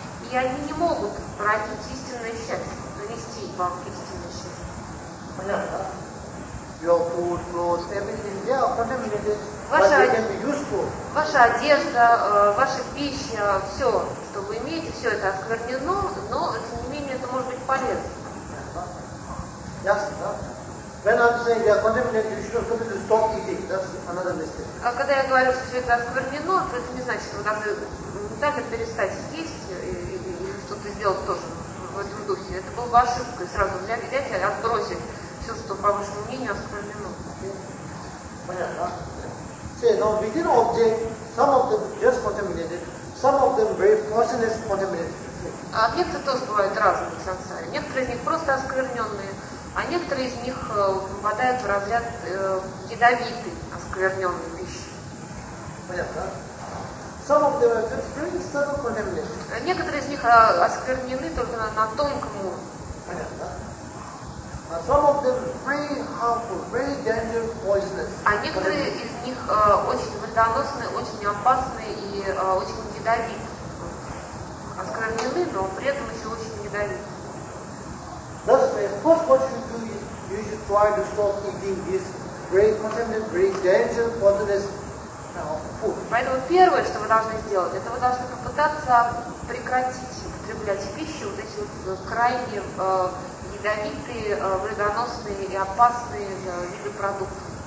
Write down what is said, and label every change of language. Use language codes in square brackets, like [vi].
[ru] И они не могут породить истинное счастье, принести вам истинное счастье. Понятно, да? [en] Your food, clothes, everything, they are contaminated, but they can be useful. [ru] Ваша одежда, ваша пища, все, что вы имеете, все это осквернено, но, тем не менее, это может быть полезно. Ясно, да? [en] When I'm saying they are contaminated, you should completely stop eating. That's another mistake. [ru] А когда я говорю, что все это осквернено, то это не значит, что вы должны даже перестать есть, что-то сделать тоже в этом духе. Это было бы ошибкой сразу взять и отбросить все, что, по вашему мнению, оскорблено. Понятно. [en] Now, within objects, some of them just contaminated, some of them very poisonous contaminated. [ru] Объекты тоже бывают разные в сансаре. Некоторые из них просто оскверненные, а некоторые из них попадают в разряд ядовитой, оскверненной пищи. Понятно. [en] Some of them are very subtle contamination. [ru] Некоторые из них осквернены только на тонком уровне. [en] Some of them very harmful, very dangerous, poisonous. [ru] А некоторые из них очень вредоносные, очень опасные и очень ядовитые. Осквернены, но при этом еще очень ядовитые. [en] Thus, first, what you do is you should try to stop eating this very contaminated, very dangerous, poisonous. [ru] Поэтому первое, что вы должны сделать, это вы должны попытаться прекратить употреблять пищу, вот эти вот крайне ядовитые, вредоносные и опасные виды продуктов.